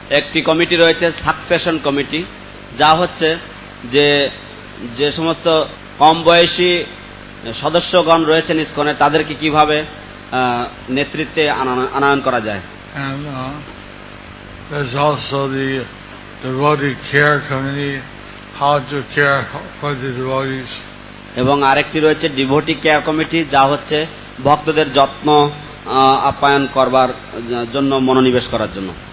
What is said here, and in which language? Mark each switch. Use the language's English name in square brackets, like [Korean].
[Bangla] একটি কমিটি রয়েছে, succession committee, যা হচ্ছে যে যে সমস্ত কম বয়সী সদস্যগণ রয়েছেন ইসকনে তাদেরকে কিভাবে নেতৃত্বে আনয়ন করা যায়। [English] And there's also the devotee care committee, how to care for the devotees. [Bangla] এবং আরেকটি রয়েছে ডিভোটি কেয়ার কমিটি, যা হচ্ছে ভক্তদের যত্ন আপ্যায়ন করবার জন্য, মনোনিবেশ করার জন্য।